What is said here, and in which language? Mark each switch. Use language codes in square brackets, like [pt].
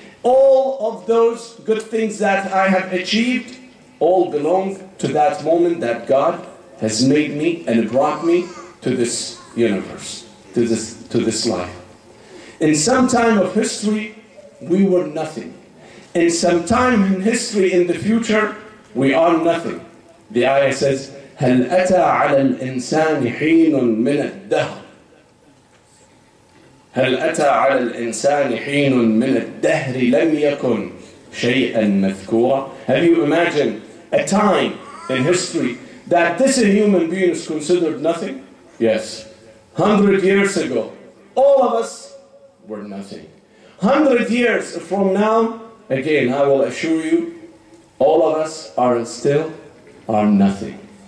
[en] All of those good things that I have achieved all belong to that moment that God has made me and brought me to this universe, to this life. In some time of history, we were nothing. In some time in history, in the future, we are nothing. [ar] The ayah says, هَلْ أَتَى عَلَى الْإِنسَانِ حِينٌ مِنَ الدَّهْرِ هَلْ أَتَى عَلَى الْإِنسَانِ حِينٌ مِنَ الدَّهْرِ لَمْ يَكُنْ شَيْئًا مَذْكُورًا. [en] Have you imagined a time in history that this human being is considered nothing? Yes. 100 years ago, all of us were nothing. 100 years from now, again, I will assure you, all of us are still nothing.